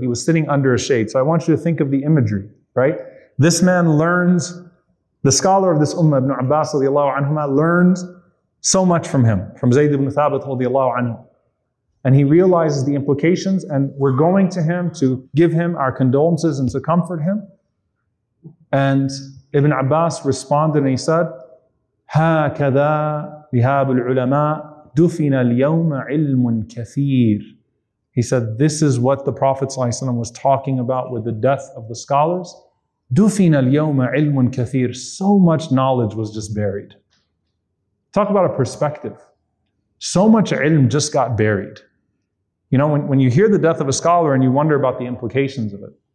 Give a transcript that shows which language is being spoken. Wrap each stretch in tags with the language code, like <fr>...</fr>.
<en>He was sitting under a shade. So I want you to think of the imagery, right? This man learns, the scholar of this ummah, Ibn Abbas radiallahu anhuma, learns so much from him, from Zayd ibn Thabit radiallahu anhu. And he realizes the implications, and we're going to him to give him our condolences and to comfort him. And Ibn Abbas responded and he said,</en> <ar>هكذا ذهاب العلماء دفن اليوم علم كثير.</ar> <en>He said, this is what the Prophet ﷺ was talking about with the death of the scholars.</en> <ar>دفن اليوم علم كثير.</ar> <en>So much knowledge was just buried. Talk about a perspective. So much ilm just got buried. You know, when you hear the death of a scholar and you wonder about the implications of it.</en>